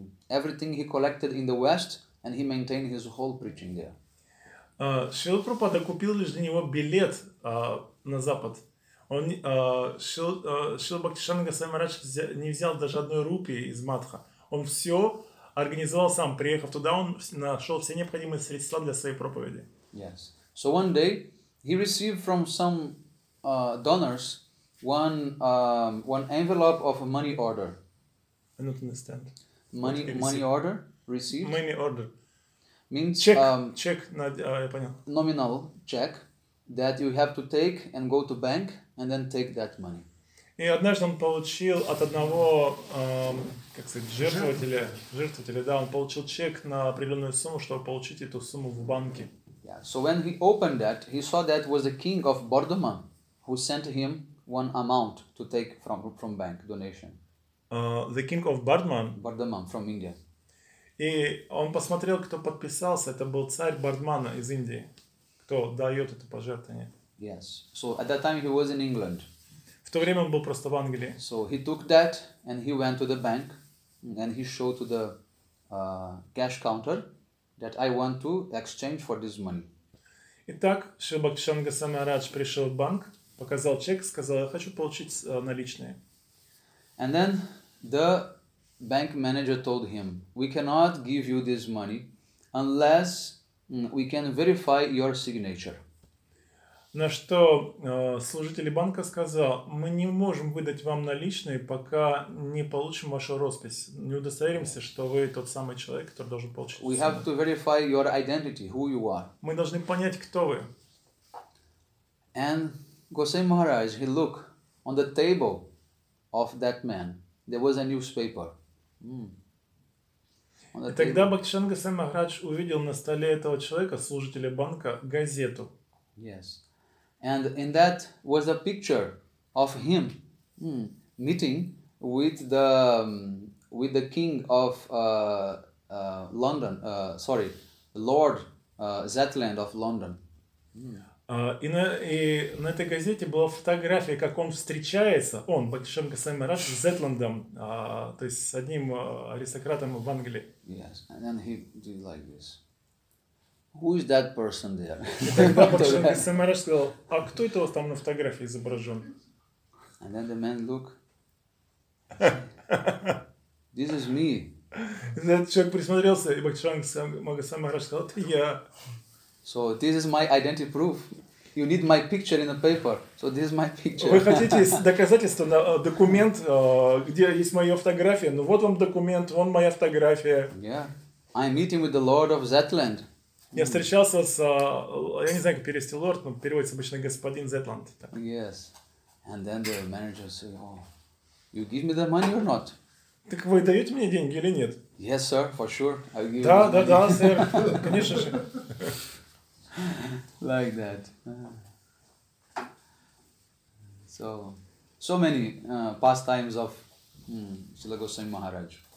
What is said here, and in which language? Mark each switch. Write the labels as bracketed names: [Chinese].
[English] Everything he collected in the West, and he maintained his whole preaching there. [Russian] Шрила Прабхупада купил лишь для него билет на Запад. Он Шрила Бхактишанга Госвами Махарадж не взял даже одной рупии из Матха. Он все организовал сам, приехав туда, он нашел все необходимые средства для своей проповеди. [English] Yes. So one day he received from some donors one envelope of a money order. I don't understand. Money order received. Money order. Means check. Check. No, [Russian] я понял. [English] Nominal check that you have to take and go to bank and then take that money. [Russian] И однажды он получил от одного, жертвователя, да, он получил чек на определенную сумму, чтобы получить эту сумму в банке. [English] Yeah. So when he opened that, he saw that was the king of Bardhaman who sent him one amount to take from bank donation. The king of Bardhaman. Bardhaman from India. [Russian] И он посмотрел, кто подписался. Это был царь Бардмана из Индии, кто дает это пожертвование. [English] Yes. So at that time he was in England. [Russian] В то время он был просто в Англии. [English] So he took that and he went to the bank and he showed to the cash counter that I want to exchange for this money. [Russian] Итак, Шрила Бхактишанга Госвами Махарадж пришел в банк, показал чек, сказал, я хочу получить наличные. [English] And then the bank manager told him, we cannot give you this money unless we can verify your signature. [Russian] На что служитель банка сказал, мы не можем выдать вам наличные, пока не получим вашу роспись. Не удостоверимся, что вы тот самый человек, который должен получить. [English] We have to verify your identity, who you are. [Russian] Мы должны понять, кто вы. [English] And Госвами Махарадж, he looked on the table of that man. There was a newspaper. [Russian] И тогда Бхактишанга Госвами Махарадж увидел на столе этого человека, служителя банка, газету. [English] Yes. And in that was a picture of him meeting with the king of London. Lord Zetland of London. [Russian] И на этой газете была фотография, как он встречается, он, Бхактишанга Госвами Махарадж, с Зетландом, то есть с одним аристократом в Англии. [English] Yes, and then he did like this. Who is that person there? [Russian] Бхактишанга Госвами Махарадж сказал, а кто это там на фотографии изображен? [English] And then the man looked. This is me. [Russian] Этот человек присмотрелся, и Бхактишанга Госвами Махарадж сказал, это я. [English] So this is my identity proof. You need my picture in the paper. So this is my picture. [Russian] Вы хотите доказательство на документ, где есть моя фотография? Ну вот вам документ, вон моя фотография. [English] Yeah. I'm meeting with the Lord of Zetland. [Russian] Я встречался с, я не знаю, как перевести лорд, но переводится обычно господин Зетланд. [English] Yes. And then the manager said, oh, you give me the money or not? [Russian] Так вы даете мне деньги или нет? [English] Yes, sir, for sure. I'll give [Russian] да, [English] you [Russian] да, да, сэр, конечно же. [English] Like that. So, So many pastimes of Śrīla Gosvāmī Mahārāj.